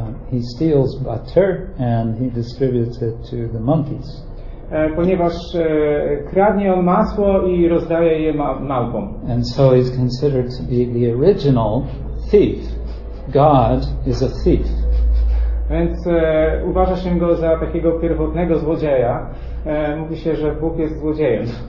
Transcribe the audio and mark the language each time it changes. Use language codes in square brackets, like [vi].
[en] He steals butter and he distributes it to the monkeys. [pl] Ponieważ kradnie on masło i rozdaje je małpom. [en] And so he's considered to be the original thief. God is a thief. [pl] Więc uważa się go za takiego pierwotnego złodzieja. Mówi się, że Bóg jest złodziejem.